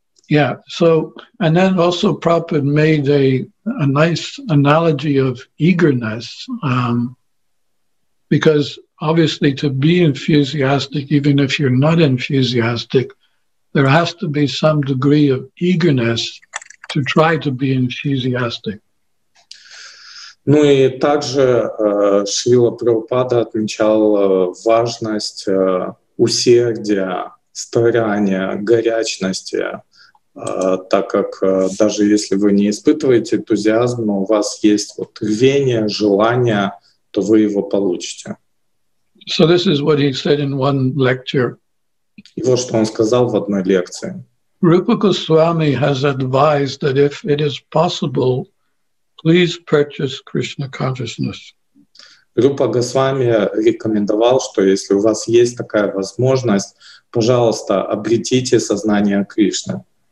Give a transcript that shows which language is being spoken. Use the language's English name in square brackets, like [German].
[English] Yeah, so, and then also Prabhupada made a nice analogy of eagerness, because obviously to be enthusiastic, even if you're not enthusiastic, there has to be some degree of eagerness to try to be enthusiastic. [Russian] Ну и также Шрила Прабхупада отмечал важность усердия старания, горячности, так как даже если вы не испытываете энтузиазм, но у вас есть вот рвение, желание, то вы его получите. [English] So this is what he said in one lecture. [Russian] И вот что он сказал в одной лекции. [English] Rupa Goswami has advised that if it is possible, please purchase Krishna consciousness. [Russian] Rupa Goswami рекомендовал, что если у вас есть такая возможность, пожалуйста, обретите сознание Кришны.